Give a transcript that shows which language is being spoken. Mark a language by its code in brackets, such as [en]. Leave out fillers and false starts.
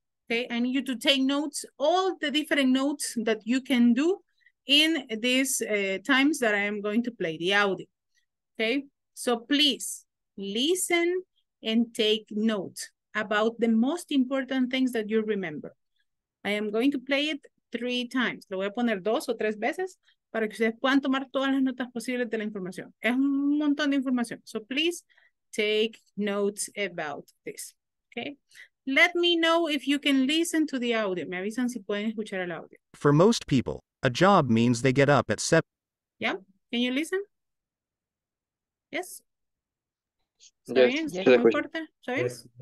[en] Okay, I need you to take notes, all the different notes that you can do in these times that I am going to play the audio. Okay, so please listen and take notes about the most important things that you remember. I am going to play it 3 times. [es] Lo voy a poner 2 o 3 veces para que ustedes puedan tomar todas las notas posibles de la información. Es un montón de información. [en] So please take notes about this. Okay, let me know if you can listen to the audio. [es] Me avisan si pueden escuchar el audio. [en] For most people, a job means they get up at 7. Yeah, can you listen? Yes? Yes.